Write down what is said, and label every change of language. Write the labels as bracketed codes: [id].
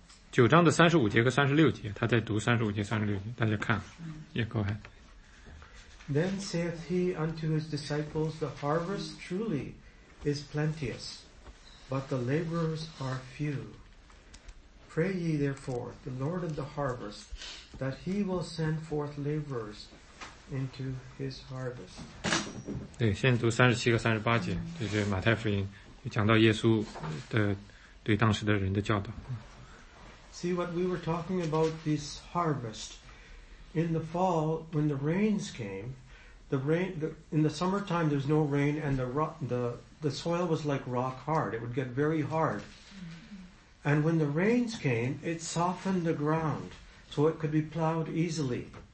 [zh] 九章的三十五节和三十六节，他在读三十五节、三十六节，大家看。 [en] Yeah, go ahead. Then saith he unto his disciples, The harvest truly is plenteous, but the laborers are few. Pray ye therefore, the Lord of the harvest, that he will send forth laborers. Into his harvest. [zh] 对，现在读三十七和三十八节，这是马太福音，讲到耶稣的对当时的人的教导。 [en] See what we were talking about this harvest. In the fall, when the rains came, in the summertime there was no rain, and the soil was like rock hard. It would get very hard. And when the rains came, it softened the ground, so it could be plowed easily.